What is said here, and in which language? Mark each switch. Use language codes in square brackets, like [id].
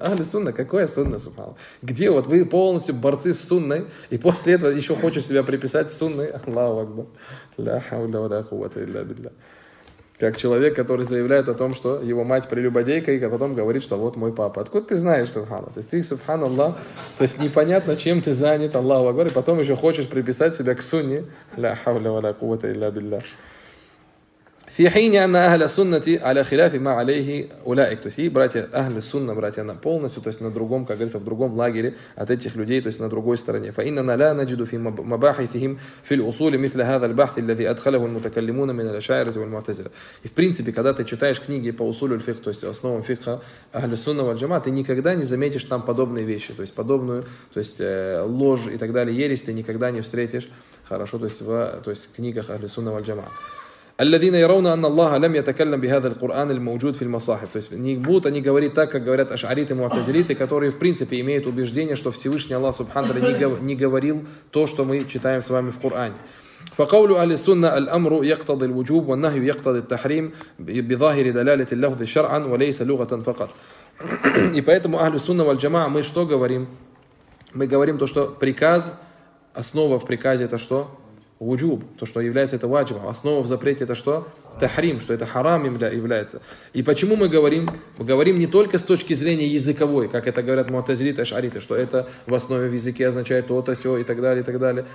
[ru] Ахлю Сунна, какое Сунна, субхану? Где вот вы полностью борцы с Сунной, и после этого еще хочешь себя приписать с Сунной? Аллаху Акбар. [ar] Ля хавля ва ля куввата илля биллях. [ru] Как человек, который заявляет о том, что его мать прелюбодейка, и потом говорит, что вот мой папа. Откуда ты знаешь, Субхана? То есть ты, Субханаллах, то есть непонятно, чем ты занят, Аллаху Акбар, и потом еще хочешь приписать себя к сунне. [ar] Ля хавля ва ля кувата илля биллях. في حين أن أهل السنة على خلاف ما عليه أولئك. [ru] То есть и братья أهل السنة, братья на полностью, то есть на другом, как говорится, в другом лагере от этих людей, то есть на другой стороне. [ar] فإننا لا نجد في مباحثهم في الأصول مثل هذا البحث الذي أدخله المتكلمون من الأشاعرة والمعتزلة. [ru] И в принципе, когда ты читаешь книги по усулю аль-фикх, то есть основам фикха أهل السنة والجماعة, ты никогда не заметишь там подобные вещи, то есть подобную, то есть ложь и так далее, ересь ты никогда не встретишь, хорошо, то есть в, то есть в книгах أهل السنة والجماعة. [ar] الذين يرون أن الله لم يتكلم بهذا القرآن الموجود في المصاحف. [ru] То есть не будут они говорить так, как говорят ашариты и муатазилиты, которые в принципе имеют убеждение, что Всевышний Аллах Субханаху не говорил то, что мы читаем с вами в Коране. [ar] فقول أهل السنة الأمر يقتضي الوجوب والنهي يقتضي التحريم بظاهر دلالة اللفظ شرعا وليس لغة فقط. [ru] И поэтому أهل السنة والجماعة, мы что говорим? Мы говорим то, что приказ, основа в приказе это что? Уджуб, то, что является это ваджибом. Основа в запрете это что? Тахрим, что это харам является. И почему мы говорим? Мы говорим не только с точки зрения языковой, как это говорят муатазилиты, ашариты, что это в основе в языке означает то-то, сё и так далее, и так далее.